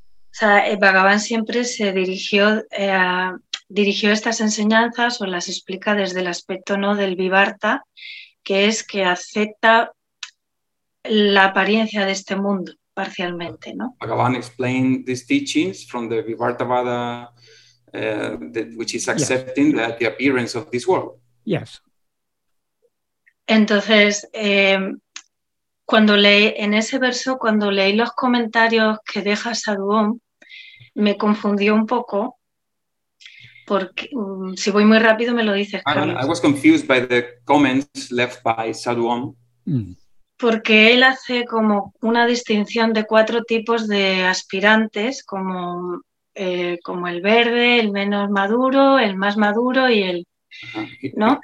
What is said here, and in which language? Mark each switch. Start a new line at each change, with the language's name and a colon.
Spanish: O sea, Bhagavan siempre se dirigió estas enseñanzas o las explica desde el aspecto no del Vivarta, que es que acepta la apariencia de este mundo parcialmente, ¿no?
English: Bhagavan explained these teachings from the Vivartavada. Which is accepting that the appearance of this world. Yes.
Spanish: Entonces, cuando leí en ese verso, cuando leí los comentarios que deja Sadhu Om, me confundió un poco, porque si voy muy rápido me lo dices, Carlos.
English: I was confused by the comments left by Sadhu Om.
Spanish: Porque él hace como una distinción de cuatro tipos de aspirantes, como el verde, el menos maduro, el más maduro y el, ¿no?